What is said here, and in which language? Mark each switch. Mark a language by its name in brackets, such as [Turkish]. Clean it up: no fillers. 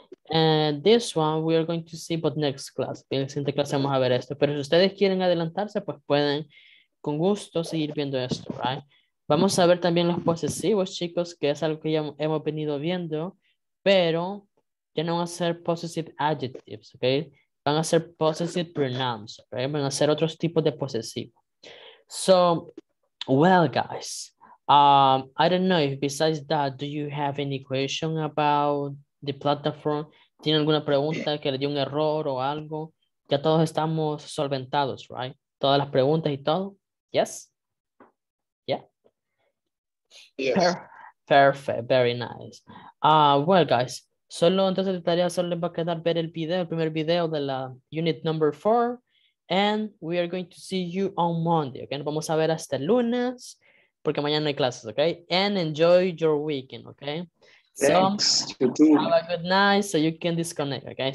[English] And this one we are going to see but next class. [Spanish] En la siguiente clase vamos a ver esto. Pero si ustedes quieren adelantarse, pues pueden con gusto seguir viendo esto, right? Vamos a ver también los posesivos, chicos, que es algo que ya hemos venido viendo, pero ya no van a ser possessive adjectives, ¿ok? Van a ser possessive pronouns, ¿ok? Van a ser otros tipos de posesivos. [English] So, well, guys, I don't know if besides that, do you have any question about the platform? [Spanish] ¿Tiene alguna pregunta que le dio un error o algo? Ya todos estamos solventados, right? Todas las preguntas y todo, yes? [English] Yes. Perfect, very nice. Well, guys, [Spanish] solo entonces de tarea solo les va a quedar ver el video, el primer video de la unit number 4. [English] And we are going to see you on Monday, ok? [Spanish] Nos vamos a ver hasta el lunes, porque mañana no hay clases, ok? [English] And enjoy your weekend, ok? Thanks, so, you too. Have a good night so you can disconnect, ok?